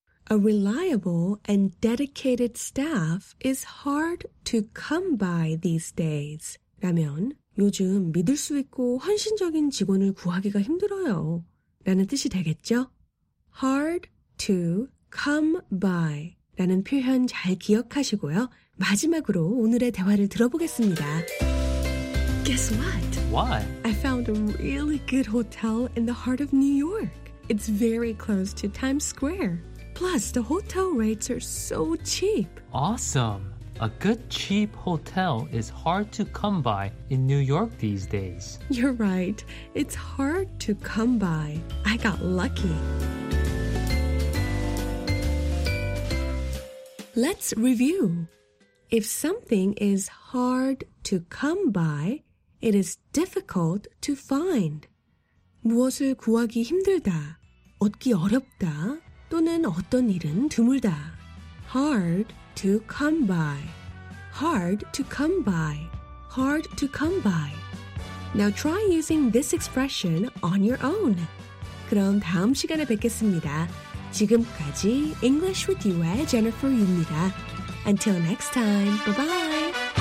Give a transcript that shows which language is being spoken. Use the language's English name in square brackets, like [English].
[English] A reliable and dedicated staff is hard to come by these days. [Korean] 라면 요즘 믿을 수 있고 헌신적인 직원을 구하기가 힘들어요. 라는 뜻이 되겠죠? [English] Hard to come by [Korean] 라는 표현 잘 기억하시고요. 마지막으로 오늘의 대화를 들어보겠습니다. [English] Guess what? What? I found a really good hotel in the heart of New York. It's very close to Times Square. Plus, the hotel rates are so cheap. Awesome. A good cheap hotel is hard to come by in New York these days. You're right. It's hard to come by. I got lucky. Let's review. If something is hard to come by, it is difficult to find. [Korean] 무엇을 구하기 힘들다, 얻기 어렵다, 또는 어떤 일은 드물다. [English] Hard to come by. Hard to come by. Hard to come by. Now try using this expression on your own. [Korean] 그럼 다음 시간에 뵙겠습니다. 지금까지 English with You의 Jennifer입니다. [English] Until next time, bye-bye!